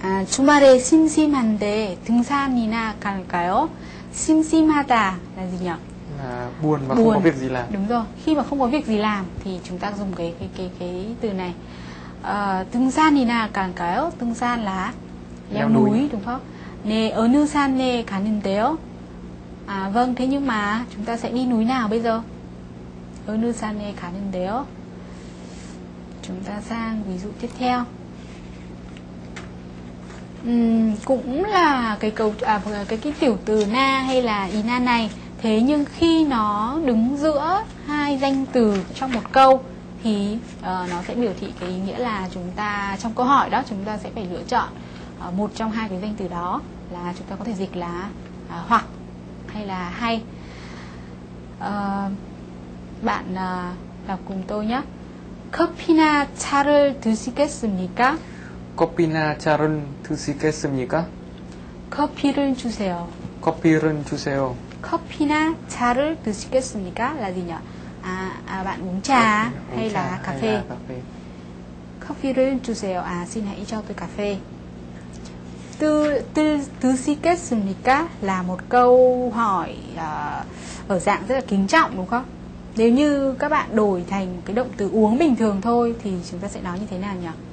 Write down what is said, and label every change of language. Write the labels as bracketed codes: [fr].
[ko] 주말에 심심한데 등산이나 갈까요? [vi] 심심하다 là gì nhỉ? Là buồn mà không có việc gì làm. Đúng rồi, khi mà không có việc gì làm thì chúng ta dùng cái từ này. [ko] 등산이나 갈까요? [vi] 등산 là leo núi đúng không? [ko] 네, 어느 산에 가는데요? [vi] Vâng, thế nhưng mà chúng ta sẽ đi núi nào bây giờ? [ko] 어느 산에 가는데요? [vi] Chúng ta sang ví dụ tiếp theo. Cũng là cái tiểu từ na hay là ina này, thế nhưng khi nó đứng giữa hai danh từ trong một câu thì nó sẽ biểu thị cái ý nghĩa là chúng ta trong câu hỏi đó chúng ta sẽ phải lựa chọn một trong hai cái danh từ đó, là chúng ta có thể dịch là hoặc hay là hay. Bạn đọc cùng tôi nhé. [ko] 커피나 차를 드시겠습니까? 커피나 차를 드시겠습니까? 커피를 주세요. 커피를 주세요. 커피나 차를 드시겠습니까? [vi] là gì nhỉ? Bạn uống trà hay là cà phê? [ko] 커피를 주세요. [vi] Xin hãy cho tôi cà phê. Tư si kết sumika là một câu hỏi ở dạng rất là kính trọng đúng không? Nếu như các bạn đổi thành cái động từ uống bình thường thôi thì chúng ta sẽ nói như thế nào nhỉ?